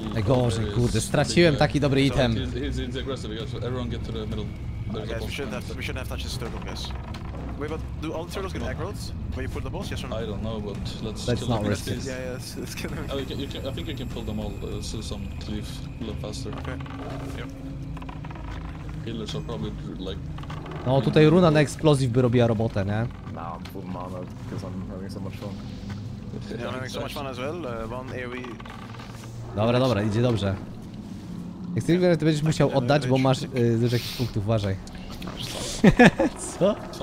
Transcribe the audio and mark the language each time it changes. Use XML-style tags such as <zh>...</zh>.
<en>My gosh,</en> <pl>kurde, straciłem taki dobry item.</pl> <en>He's aggressive, guys. Everyone get to the middle. Guys, we shouldn't have touched this turtle, guys. Wait, but do all the turtles get aggroed when you pull the boss? Yes or no? I don't know, but let's kill not risk it. Yeah, yes, let's kill them. I think you can pull them all, so some cleave a little faster. Okay. Yep. Healers are probably like.</en> <pl>No, tutaj runa na explosive by robiła robotę, nie?</pl> <en>No, I'm full mana, because I'm having so much fun. Yeah, I'm having so much fun as well. One AoE.</en> <pl>Dobra, dobra, idzie dobrze. Jak chcesz, to będziesz musiał oddać, bo masz dużo jakichś punktów, uważaj. Co?</pl>